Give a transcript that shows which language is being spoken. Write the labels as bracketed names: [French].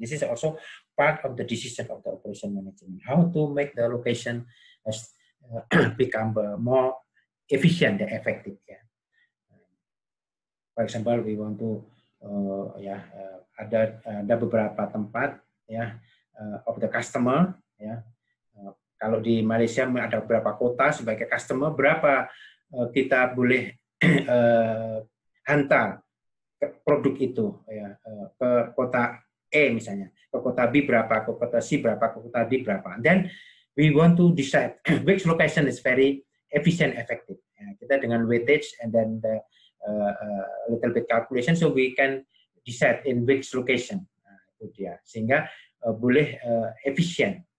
[English] This is also part of the decision of the operation management, how to make the location as become more efficient and effective. [Malay] Yeah, [English] for example, we want to [Malay] yeah, ada beberapa tempat, yeah, [English] of the customer, [Malay] yeah, kalau di Malaysia ada beberapa kota sebagai customer, berapa kita boleh hantar produk itu, ya, ke kota A misalnya, ke kota B berapa, ke kota C berapa, ke kota D berapa. [English] Then we want to decide which location is very efficient, effective. [Malay] Ya, kita dengan [English] weightage and then the little bit calculation, so we can decide in which location. [Malay] Itu dia, sehingga boleh efficient.